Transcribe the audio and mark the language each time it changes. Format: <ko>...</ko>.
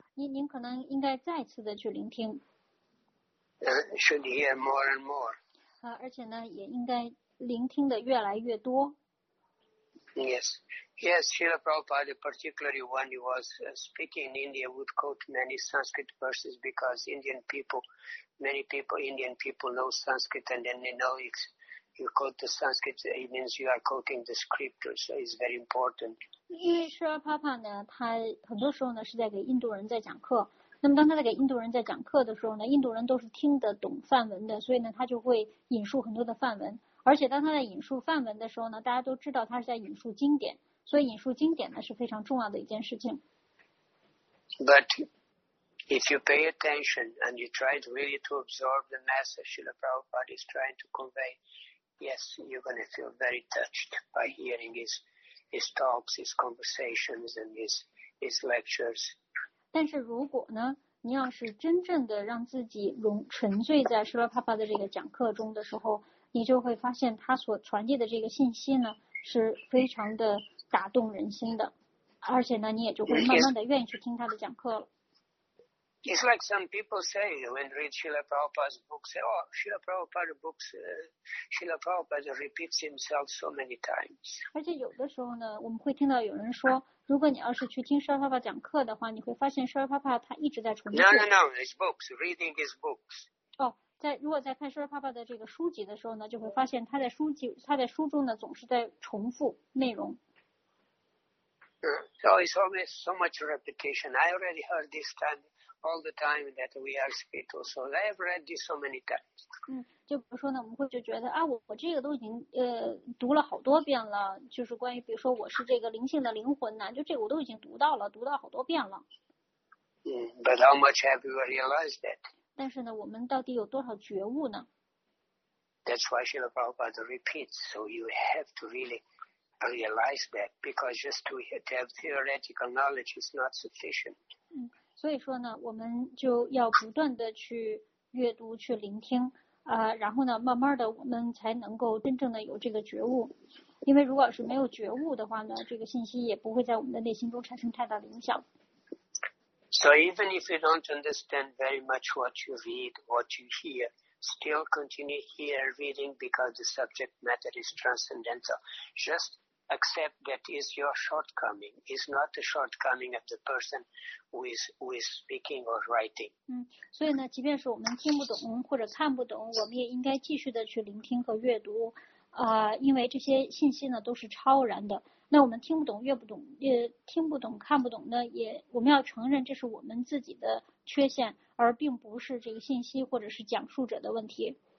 <zh>您可能应该再次的去聆听。</zh> <en>Should hear more and more.</en> <zh>而且呢，也应该聆听的越来越多。</zh> <en>Yes, Srila Prabhupada, particularly when he was speaking in India, would quote many Sanskrit verses because Indian people know Sanskrit, and then they know it. You quote the Sanskrit, it means you are quoting the scriptures, so it's very important.</en> <zh>因为 Srila Prabhupada 呢，他很多时候呢是在给印度人在讲课。那么当他在给印度人在讲课的时候呢，印度人都是听得懂梵文的，所以呢他就会引述很多的梵文，而且当他在引述梵文的时候呢，大家都知道他是在引述经典，所以引述经典呢是非常重要的一件事情。</zh> <en>But If you pay attention and you try to really to absorb the message Srila Prabhupada is trying to convey, yes, you're going to feel very touched by hearing his talks, his conversations, and his lectures.</en> <zh>但是如果呢，你要是真正的让自己融沉醉在Srila Prabhupada的这个讲课中的时候，你就会发现他所传递的这个信息呢，是非常的打动人心的，而且呢，你也就会慢慢的愿意去听他的讲课了。</zh> <en>It's like some people say when they read Srila Prabhupada's books, say, oh, Srila Prabhupada books, Srila Prabhupada repeats himself so many times.</en> <zh>而且有的时候呢，我们会听到有人说，如果你要是去听 Srila Prabhupada 讲课的话，你会发现 Srila Prabhupada 他一直在重复。</zh> <en>No, his books, reading his books.</en> <zh>哦，在如果在看 Srila Prabhupada 的这个书籍的时候呢，就会发现他在书中呢总是在重复内容。</zh> <en>So it's always so much repetition. I already heard this time. All the time that we are spiritual souls, I have read this so many times.</en> <zh>就比如说呢，我们会就觉得啊，我这个都已经读了好多遍了，就是关于比如说我是这个灵性的灵魂呢，就这个我都已经读到好多遍了。</zh> <en>But how much have you realized that?</en> <zh>但是呢，我们到底有多少觉悟呢</zh> <en>？That's why Srila Prabhupada repeats, so you have to really realize that, because just to have theoretical knowledge is not sufficient.</en> <zh>所以说呢，我们就要不断的去阅读、去聆听，然后呢，慢慢的我们才能够真正的有这个觉悟。因为如果是没有觉悟的话呢，这个信息也不会在我们的内心中产生太大的影响。</zh> <en>So even if you don't understand very much what you read, what you hear, still continue hear reading because the subject matter is transcendental. Just accept that is your shortcoming. It's not the shortcoming of the person who is speaking or writing.</en> <zh>所以呢，即便是我们听不懂或者看不懂，我们也应该继续的去聆听和阅读，因为这些信息呢都是超然的。那我们听不懂、阅不懂、听不懂、看不懂呢，也我们要承认这是我们自己的缺陷，而并不是这个信息或者是讲述者的问题。</zh>